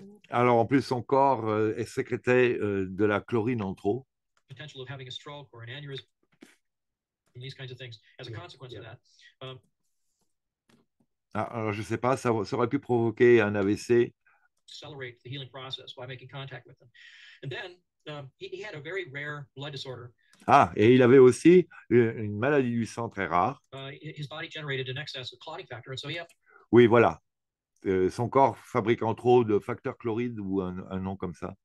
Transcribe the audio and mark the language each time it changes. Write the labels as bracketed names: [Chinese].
[French] Alors, en plus, son corps est sécrété de la chlorine en trop. [English] Potential of having a stroke or an aneurysm, and these kinds of things as a consequence of that. [French] Alors, je sais pas, ça aurait pu provoquer un AVC. [English] Accelerate the healing process by making contact with them. And then, he had a very rare blood disorder. [French] Ah, et il avait aussi une maladie du sang très rare. [English] His body generated an excess of clotting factor, and so yeah. [French] Oui, voilà. Son corps fabrique en trop de facteurs chloride ou un nom comme ça.